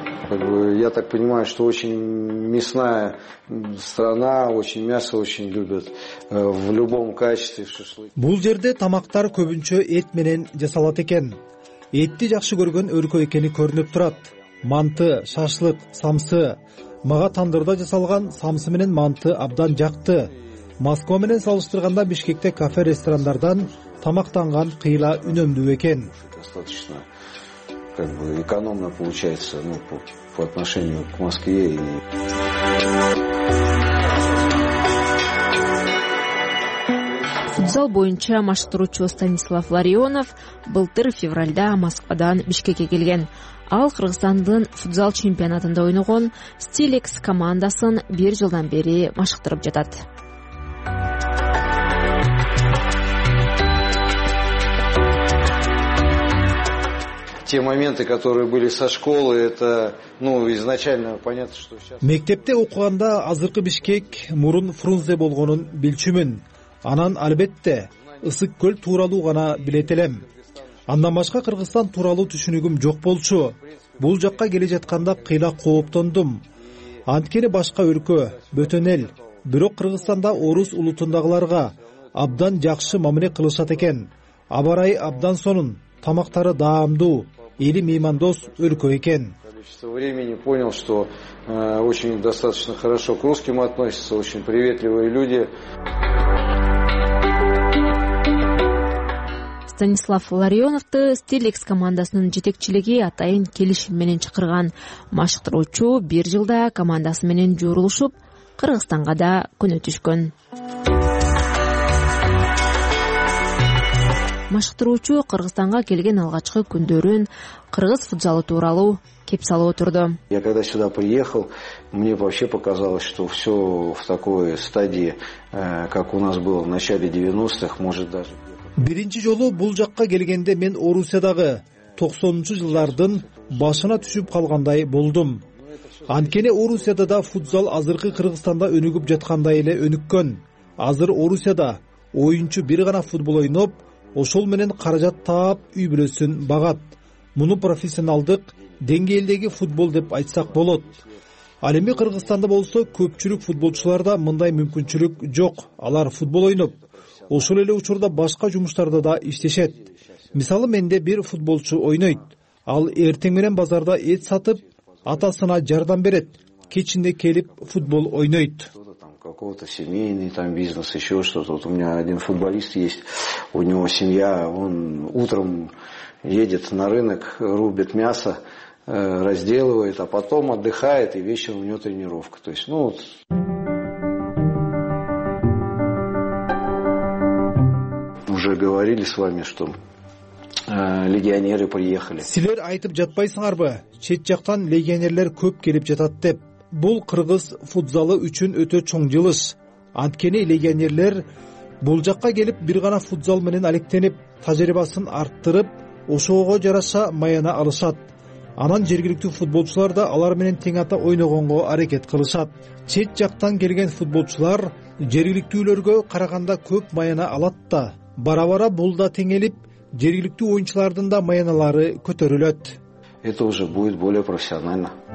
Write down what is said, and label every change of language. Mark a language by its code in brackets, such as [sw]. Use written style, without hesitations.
[ru] Я так понимаю, что очень мясная страна, очень мясо очень любят в любом качестве шашлык. [ky] Бул жерде тамактар көбүнчө эт менен жасалат экен. Этти жакшы көргөн өлкө экени көрүнүп турат. Манты, шашлык, самсы. Мага тандырда жасалган самсы менен манты абдан жакты. Москва менен салыштырганда Бишкекте кафе ресторандардан тамактанган кыйла үнөмдүү экен. [ru] Достаточно экономно получается, по отношению к Москве. [ky] Футзал боюнча маштыруучу Станислав Ларионов былтыр февральда Москвадан Бишкекке келген. Ал Кыргызстандын футзал чемпионатында ойногон Стилекс командасын бир жылдан бери машыктырып жатат. [ru] Те моменты, которые были со школы, это, изначально понятно, что сейчас... [ky] Мектепте окуганда азыркы Бишкек мурун Фрунзе болгонун билчүмүн. Анан албетте Ысык Көл тууралуу гана билет элем. Андан башка Кыргызстан тууралуу түшүнүгүм жок болчу. Бул жакка келе жатканда кыйла кооптондум. Анткени башка өлкө, бөтөн эл, бирок Кыргызстанда орус улутундагыларга абдан жакшы мамиле кылышат экен. Абарай абдан сонун. Тамактары даамдуу, эли меймандос өлкө экен. [ru] Времени понял, что очень достаточно хорошо к русским относятся, очень приветливые люди. [ky] Станислав Ларионовту Стилекс командасынын жетекчилиги атайын келишим менен чакырган. Машыктыруучу бир жылда командасы менен жоорулушуп, Кыргызстанга да көнөтүшкөн. Машыктыруучу Кыргызстанга келген алгачкы күндөрүн кыргыз футзалы тууралуу кеп салып отурду. [ru] Я когда сюда приехал, мне вообще показалось, что все в такой стадии, как у нас было в начале 90-х, может даже. [ky] Биринчи жолу бул жакка келгенде мен Орусиядагы 90-жылдардын башына түшүп калгандай болдум. Анткени Орусияда да футзал азыркы Кыргызстанда өнүгүп жаткандай эле өнүккөн. Азыр Орусияда оюнчу бир гана футбол ойноп, ошол менен каражат таап үй бүлөсүн багат. Муну профессионалдык деңгээлдеги футбол деп айтсак болот. Ал эми Кыргызстанда болсо көпчүлүк футболчуларда мындай мүмкүнчүлүк жок. Алар футбол ойноп, ошол эле учурда башка жумуштарда да иштешет. Мисалы, менде бир футболчу ойнойт. Ал эртең менен базарда эт сатып, атасына жардам берет. Кечинде келип футбол ойнойт. [ru] Какого-то семейный там бизнес, еще что-то. Вот у меня один футболист есть, у него семья, он утром едет на рынок, рубит мясо, разделывает, а потом отдыхает, и вечером у него тренировка. То есть, ну вот. Уже говорили с вами, что легионеры приехали. [ky] Силер айтып жатпайсыңарбы? Чет жактан легионерлер көп келип жатат деп. Бул кыргыз футзалы үчүн өтө чоң жылыш. Анткени легионерлер бул жакка келип бир гана футзал менен алектенип, тажрыйбасын арттырып, ошого жараша маяна алышат. Анан жергиликтүү футболчулар да алар менен тең ата ойногонго аракет кылышат. Чет жактан келген футболчулар жергиликтүүлөргө караганда көп маяна алат да. Бара-бара бул да теңелип, жергиликтүү оюнчулардын да маянылары көтөрүлөт. [ru] Это уже будет более профессионально.